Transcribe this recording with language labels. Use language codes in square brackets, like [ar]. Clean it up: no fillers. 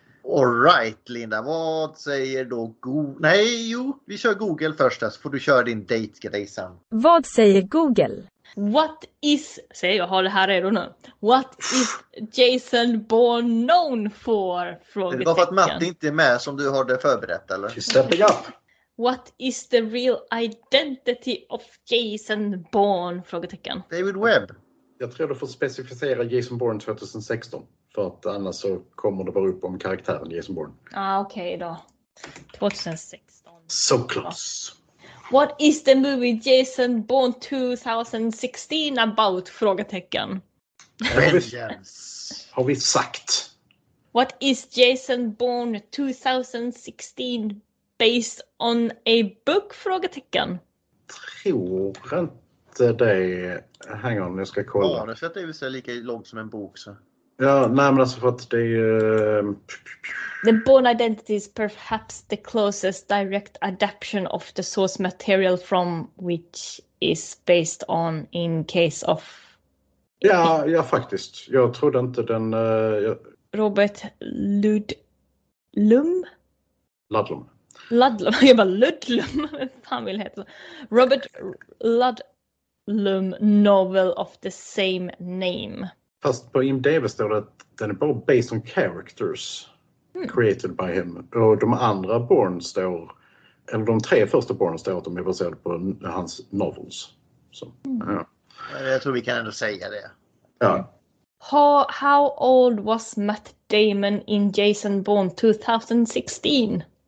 [en] All right, [sv] Linda. Vad säger då Google? Nej, jo. Vi kör Google först. Så får du köra din date-grej sen. Vad säger Google? [en] What is, [sv] säger jag, har det här redo nu. [en] What is Jason Bourne known for? [sv] Frågetecken. Det var för att Matti inte är med som du har det förberett, eller? [en] She's stepping up. What is the real identity of Jason Bourne? [sv] Frågetecken. David Webb. Jag tror du får specificera Jason Bourne 2016. För att annars så kommer det bara upp om karaktären Jason Bourne. Ah, okej okay, då. 2016. [en] So close. What is the movie Jason Bourne 2016 about? [sv] Frågetecken. Vengeance. Har vi sagt. [en] What is Jason Bourne 2016 based on a book? [sv] Frågetecken. Tror inte det. [en] Hang on, [sv] jag ska kolla. Ja, det är väl så lika långt som en bok så. Ja, nej men alltså för att det är [en] The Bourne Identity is perhaps the closest direct adaptation of the source material from which is based on in case of... [sv] Ja, ja faktiskt. Jag trodde inte den... Robert Ludlum? Ludlum. Ludlum, jag bara Ludlum. Fan vill heta. Robert Ludlum [en] novel of the same name. [sv] Fast på IMDb står det att den är bara [en] based on characters created by him. [sv] Och de andra Bourne står, eller de tre första Bourne står att de är baserade på hans novels. Så, ja. Jag tror vi kan ändå säga det. Ja. [en] How old was Matt Damon in Jason Bourne 2016?